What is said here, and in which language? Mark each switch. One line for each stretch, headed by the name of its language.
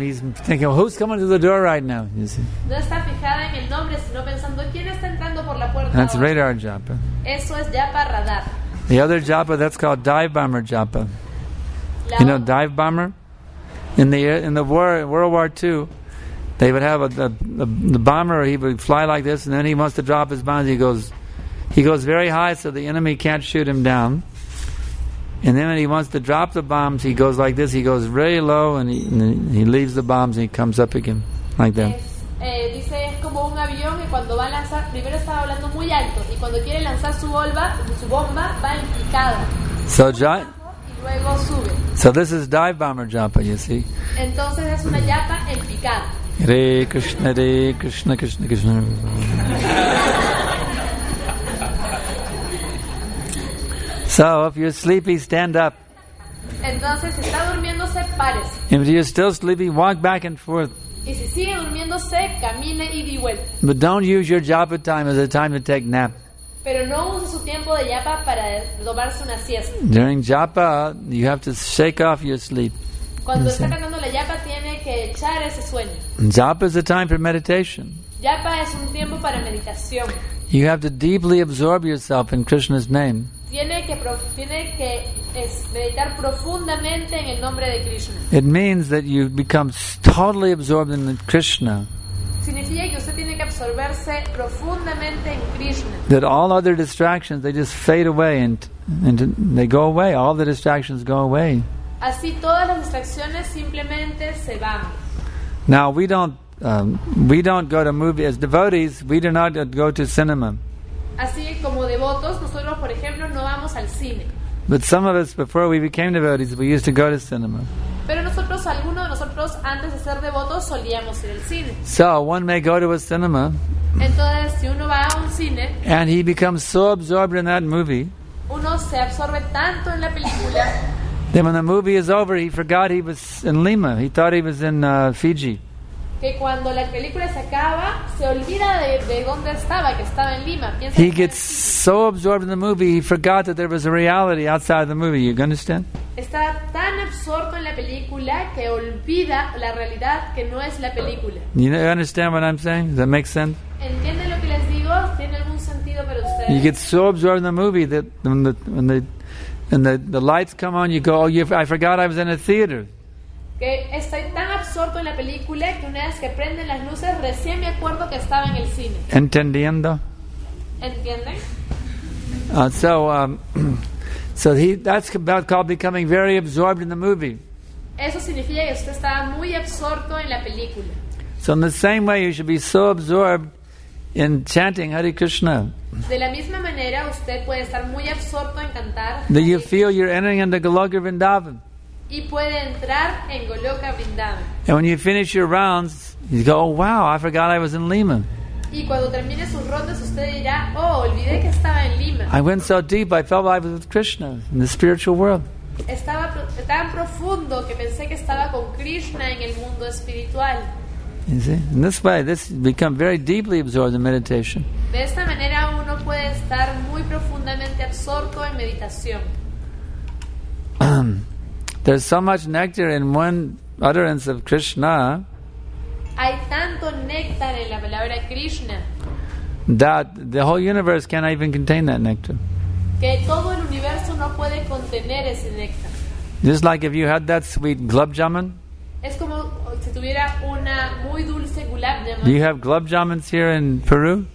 English: He's thinking, well, who's coming to the door right now? You see.
Spanish: No está fijada en el nombre, sino pensando quién está entrando por la puerta.
English: That's radar japa.
Spanish: Eso es japa radar.
English: The other japa, that's called dive bomber japa. You know, dive bomber. In World War II, they would have the bomber. He would fly like this, and then he wants to drop his bombs. He goes very high so the enemy can't shoot him down. And then when he wants to drop the bombs, he goes like this. He goes very low, and he leaves the bombs, and he comes up again, like that.
Spanish: Dice, es como un avión, y cuando va a lanzar, primero estaba hablando muy alto, y cuando quiere lanzar su bomba, va en picada.
English: So, John.
Spanish: Luego sube.
English: So this is dive bomber japa, you see.
Spanish: Entonces es una japa en picada.
Sanskrit: Hare Krishna, Hare Krishna, Krishna Krishna.
English: So, if you're sleepy, stand up.
Spanish: Entonces, si está durmiéndose, párese.
English: If you're still sleepy, walk back and forth.
Spanish: Y si sigue durmiéndose, camine y di vuelta.
English: But don't use your japa time as a time to take nap.
Spanish: Pero no use su tiempo de japa para tomarse una siesta.
English: During japa, you have to shake off your sleep.
Spanish: Cuando está cantando la japa, tiene que echar ese sueño.
English: Japa is a time for meditation.
Spanish: Japa es un tiempo para meditación.
English: You have to deeply absorb yourself in Krishna's name.
Spanish: Tiene que meditar profundamente en el nombre de Krishna.
English: It means that you become totally absorbed in Krishna.
Spanish: Significa que usted tiene que absorberse profundamente en Krishna.
English: That all other distractions, they just fade away and they go away. All the distractions go away.
Spanish: Así todas las distracciones simplemente se van.
English: Now we don't go to movies. As devotees, we do not go to cinema.
Spanish: Así como devotos, nosotros, por ejemplo, no vamos al cine.
English: But some of us, before we became devotees, we used to go to cinema.
Spanish: Pero nosotros, algunos de nosotros, antes de ser devotos, solíamos ir al cine.
English: So, one may go to a cinema.
Spanish: Entonces, si uno va a un cine.
English: And he becomes so absorbed in that movie.
Spanish: Uno se absorbe tanto en la película.
English: Then when the movie is over, he forgot he was in Lima. He thought he was in Fiji.
Spanish: Que cuando la película se acaba, se olvida de dónde estaba, que estaba en Lima.
English: He gets so absorbed in the movie, he forgot that there was a reality outside of the movie. You understand?
Spanish: Está tan absorto en la película que olvida la realidad que no es la película.
English: You understand what I'm saying? Does that make sense?
Spanish: ¿Entienden lo que les digo? ¿Tiene algún sentido para ustedes?
English: You get so absorbed in the movie that when the lights come on, you go, oh, I forgot I was in a theater.
Spanish: Que estoy tan absorto en la película que una vez que prenden las luces recién me acuerdo que estaba en el cine. Entendiendo. ¿Entienden?
English: That's about called becoming very absorbed in the movie.
Spanish: Eso significa que usted estaba muy absorto en la película.
English: So in the same way you should be so absorbed in chanting Hare Krishna.
Spanish: De la misma manera usted puede estar muy absorto en cantar.
English: Do you feel you're entering into Goloka Vrindavan?
Spanish: Y puede entrar en Goloka Vrindavan.
English: And when you finish your rounds, you go, oh, wow, I forgot I was in Lima.
Spanish: Y cuando termine sus rondas, usted dirá, oh, olvidé que estaba en Lima.
English: I went so deep, I felt I was with Krishna in the spiritual world.
Spanish: Estaba tan profundo que pensé que estaba con Krishna en el mundo espiritual.
English: You see? In this way, this become very deeply absorbed in meditation.
Spanish: De esta manera, uno puede estar muy profundamente absorto en meditación.
English: There's so much nectar in one utterance of Krishna.
Spanish: Hay tanto néctar en la palabra Krishna.
English: That the whole universe can't even contain that nectar.
Spanish: Que todo el universo no puede contener ese néctar.
English: Just like if you had that sweet gulab jamun.
Spanish: Es como si tuviera una muy dulce gulab jamun.
English: Do you have gulab jamuns here in Peru?